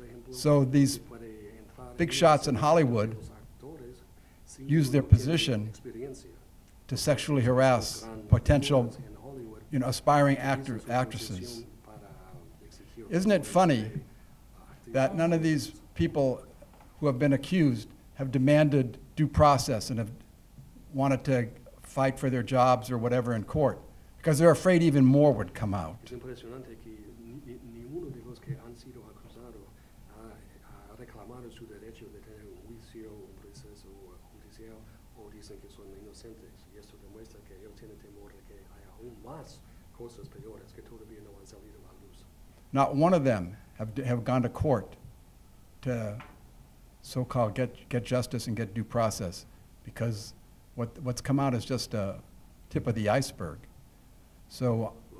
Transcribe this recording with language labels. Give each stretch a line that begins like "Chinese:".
English: So these big shots in Hollywood use their position to sexually harass potential, you know, aspiring actors, actresses. Isn't it funny that none of these people who have been accused have demanded due process and have wanted to fight for their jobs or whatever in court, because they're afraid even more would come out.
Spanish: Es impresionante que ninguno de los que han sido acusados ha reclamado su derecho de tener un juicio, un proceso judicial, o dicen que son inocentes. Y esto demuestra que ellos tienen temor de que haya aún más cosas peores que todavía no han salido a la luz.
English: Not one of them have gone to court to so-called get justice and get due process, because what's come out is just a tip of the iceberg. So.